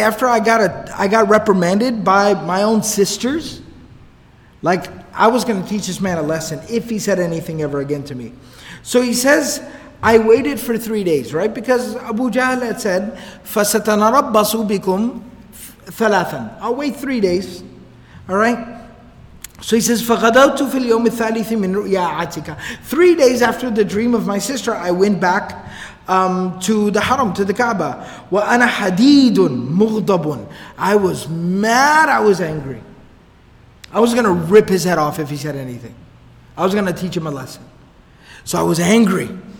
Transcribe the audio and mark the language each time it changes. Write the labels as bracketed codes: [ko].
[en] After I got reprimanded by my own sisters, like, I was going to teach this man a lesson if he said anything ever again to me. So he says, I waited for 3 days, right? Because Abu Jahl had said, [ar] فَسَتَنَرَبَّصُ بِكُمْ ثَلَاثًا. [en] I'll wait 3 days, all right? So he says, [ar] فَغَدَوْتُ فِي الْيَوْمِ الثَّالِثِ مِنْ رُؤْيَاعَتِكَ. [en] 3 days after the dream of my sister, I went back to the Haram, to the Kaaba. [ar] وَأَنَا حَدِيدٌ مُغْضَبٌ. [en] I was mad, I was angry. I was going to rip his head off if he said anything. I was going to teach him a lesson. So I was angry.